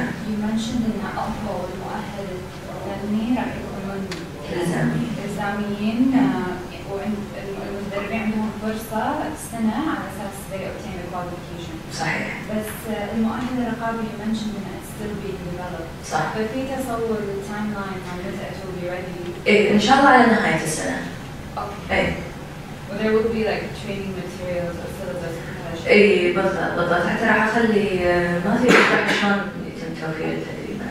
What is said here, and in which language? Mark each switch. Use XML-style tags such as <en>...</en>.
<en>You mentioned in that also the</en> <ar>مؤهل الفني راح يكون إلزاميين والمدربين عندهم فرصة سنة على أساس</ar> <en>they obtain the qualification.</en> <ar>صحيح. بس المؤهل الرقابي</ar> <en>you mentioned in that still being developed.</en> <ar>صح. ففي تصور</ar> <en>the timeline when this it will be ready.</en> <ar>إيه إن شاء الله على نهاية السنة.</ar> <en>Okay. Well, there will be like training materials or syllabus.</en> <ar>إيه بالضبط حتى راح أخلي ما في يشرح شلون يتم توفير التدريب.</ar>